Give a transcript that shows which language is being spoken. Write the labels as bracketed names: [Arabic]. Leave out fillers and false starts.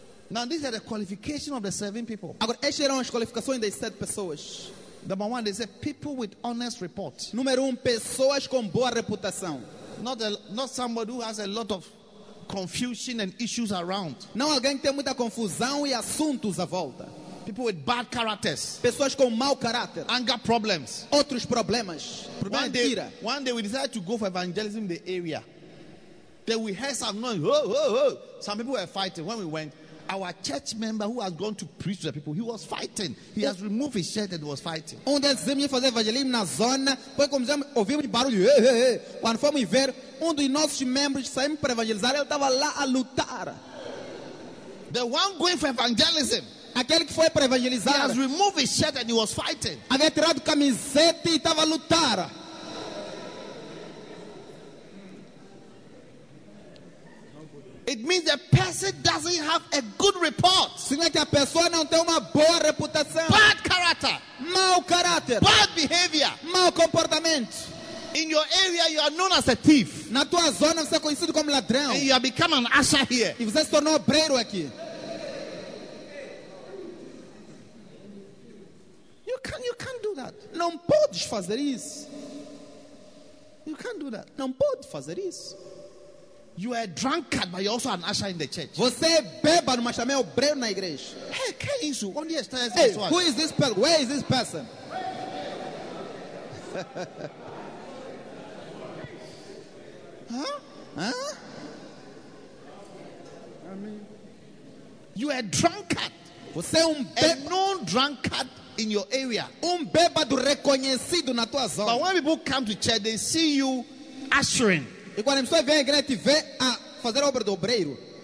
[English] Now these are the qualifications of the seven people. [Portuguese] Agora estas eram as qualificações das sete pessoas. [English] Number one, they said people with honest report. [Portuguese] Número pessoas com boa reputação. [English] Not somebody who has a lot of confusion and issues around. [Portuguese] Não alguém tem muita confusão e assuntos à volta. [English] People with bad characters. [Portuguese] Pessoas com mau caráter. [English] Anger problems. [Portuguese] Outros problemas. Problema de ira. [English] One day we decided to go for evangelism in the area. Then we heard some noise. Some people were fighting when we went. Our church member who has gone to preach to the people, he was fighting. He has removed his shirt and was fighting. [Portuguese] Um dos irmãos fazer evangelismo na zona, foi como se ouvimos barulho. Hey. Quando fomos ver, um dos nossos membros saindo para evangelizar, ele estava lá a lutar. [English] The one going for evangelism, [Portuguese] aquele que foi para evangelizar, [English] he has removed his shirt and he was fighting. [Portuguese] Havia tirado camiseta e estava a lutar. [English] It means the person doesn't have a good report. [Portuguese] Significa que a pessoa não tem uma boa reputação. [English] Bad character. [Portuguese] Mau caráter. [English] Bad behavior. [Portuguese] Mau comportamento. [English] In your area, you are known as a thief. [Portuguese] Na tua zona, você é conhecido como ladrão. [English] And you have become an usher here. [Portuguese] E você se tornou obreiro aqui. [English] You can't do that. [Portuguese] Não podes fazer isso. [English] You can't do that. [Portuguese] Não podes fazer isso. [English] You are a drunkard, but you're also an usher in the church. [Portuguese] Você é bêbado, mas também é obreiro na igreja. Hey, que é isso? Onde está esse pessoal? [English] Hey, who is this person? Where is this person? I mean, you are a drunkard. [Portuguese] Você é [English] a known drunkard in your area. [Portuguese] Bêbado reconhecido na tua zona. [English] But when people come to church, they see you ushering. [Portuguese] E quando a pessoa vem à igreja te vê a fazer a obra do obreiro.